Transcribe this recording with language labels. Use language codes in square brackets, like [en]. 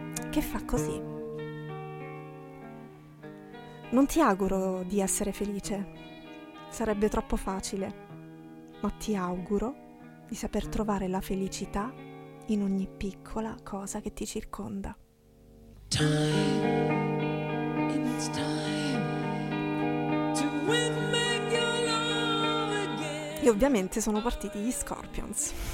[it] Che fa così. Non ti auguro di essere felice, sarebbe troppo facile, ma ti auguro di saper trovare la felicità in ogni piccola cosa che ti circonda. [en] Time, it's time to win back your love again. [it] E ovviamente sono partiti gli Scorpions.